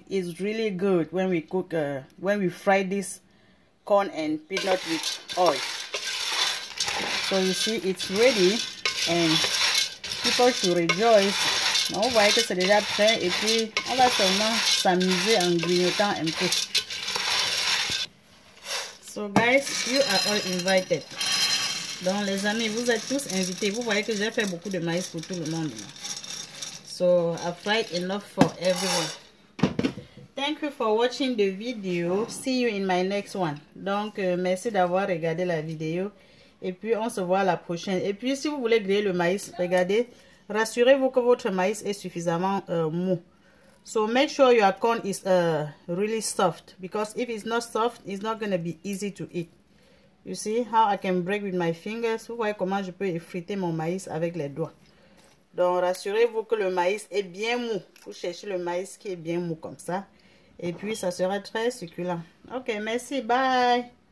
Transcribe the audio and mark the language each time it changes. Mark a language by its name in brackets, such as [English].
[English] It's really good when we cook when we fry this corn and peanut with oil. So you see it's ready and people should rejoice. Now [French] vous voyez que c'est déjà prêt et puis on va seulement s'amuser en grignotant un peu. [English] So guys, you are all invited. [French] Donc les amis, vous êtes tous invités. Vous voyez que j'ai fait beaucoup de maïs pour tout le monde. [English] So, I've fried enough for everyone. Thank you for watching the video. See you in my next one. [French] Donc, merci d'avoir regardé la vidéo. Et puis, on se voit à la prochaine. Et puis, si vous voulez griller le maïs, regardez. Rassurez-vous que votre maïs est suffisamment mou. [English] So, make sure your corn is really soft. Because if it's not soft, it's not going to be easy to eat. You see how I can break with my fingers? [French] Vous voyez comment je peux effriter mon maïs avec les doigts. Donc, rassurez-vous que le maïs est bien mou. Vous cherchez le maïs qui est bien mou comme ça. Et puis, ça sera très succulent. [English] Ok, [French] merci. [English] Bye!